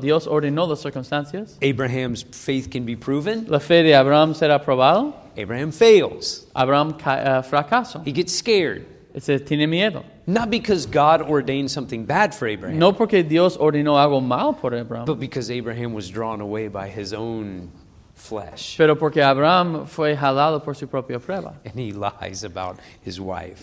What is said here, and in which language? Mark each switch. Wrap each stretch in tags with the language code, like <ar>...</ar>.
<es>Dios ordenó las circunstancias.</es> <en>Abraham's faith can be proven.</en> <es>La fe de Abraham será probado.</es> <en>Abraham fails.</en> <es>Abraham fracaso.</es> <en>He gets scared.</en> <es>Se tiene miedo.</es> <en>Not because God ordained something bad for Abraham.</en> <es>No porque Dios ordenó algo mal por Abraham.</es> <en>But because Abraham was drawn away by his own flesh.</en> <es>Pero porque Abraham fue jalado por su propia prueba.</es> <en>And he lies about his wife.</en>